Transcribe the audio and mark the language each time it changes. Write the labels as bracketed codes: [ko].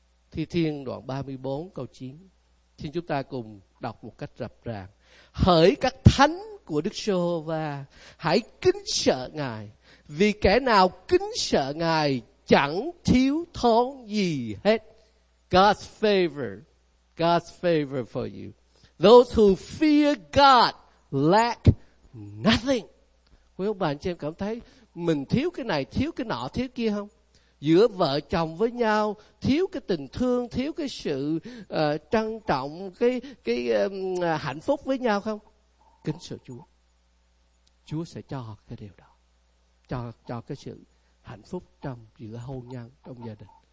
[vi] Thi Thiên đoạn 34 câu 9, xin chúng ta cùng đọc một cách rập rạp. Hỡi các thánh của Đức Giê-hô-va, hãy kính sợ Ngài, vì kẻ nào kính sợ Ngài chẳng thiếu thốn gì hết. [en] God's favor. God's favor for you. Those who fear God lack nothing. [vi] Quý ông bà anh chị em cảm thấy mình thiếu cái này, thiếu cái nọ, thiếu kia không? Giữa vợ chồng với nhau, thiếu cái tình thương, thiếu cái sự trân trọng, hạnh phúc với nhau không? Kính sợ Chúa. Chúa sẽ cho cái điều đó. Cho cái sự hạnh phúc trong giữa hôn nhân, trong gia đình.